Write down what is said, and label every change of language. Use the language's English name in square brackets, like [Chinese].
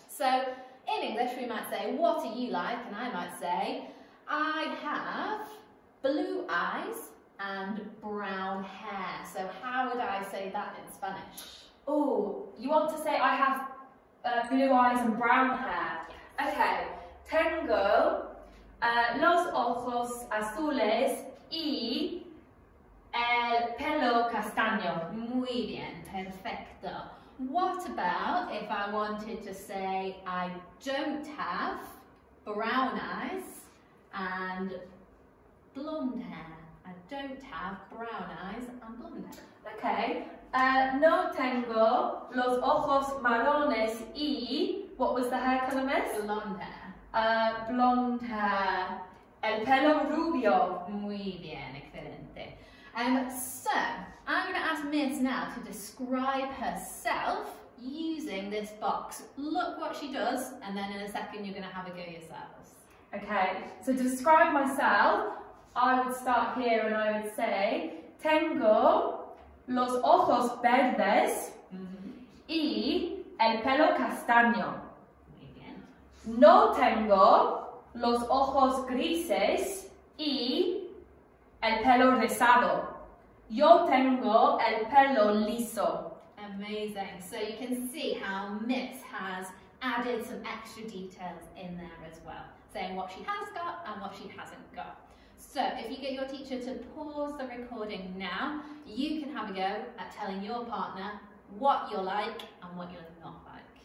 [English] So, in English we might say, what are you like? And I might say, I have blue eyes and brown hair. So how would I say that in Spanish? Oh, you want to say I have blue eyes and brown hair. Yeah. Okay. [Spanish] Tengo los ojos azules y el pelo castaño. Muy bien. Perfecto. [English] What about if I wanted to say I don't have brown eyes and blonde hair. I don't have brown eyes and blonde hair. [Spanish] Okay. No tengo los ojos marrones y, [English] what was the hair colour, miss? Blonde hair. Blonde hair. [Spanish] El pelo rubio. Muy bien, excelente. [English] So, I'm going to ask Miss now to describe herself using this box. Look what she does, and then in a second you're going to have a go yourselves. Okay, so to describe myself, I would start here and I would say, [Spanish] tengo los ojos verdes y el pelo castaño. No tengo los ojos grises y el pelo rizado. Yo tengo el pelo liso. [English] Amazing. So you can see how Miss has added some extra details in there as well, saying what she has got and what she hasn't got. So if you get your teacher to pause the recording now, you can have a go at telling your partner what you're like and what you're not like.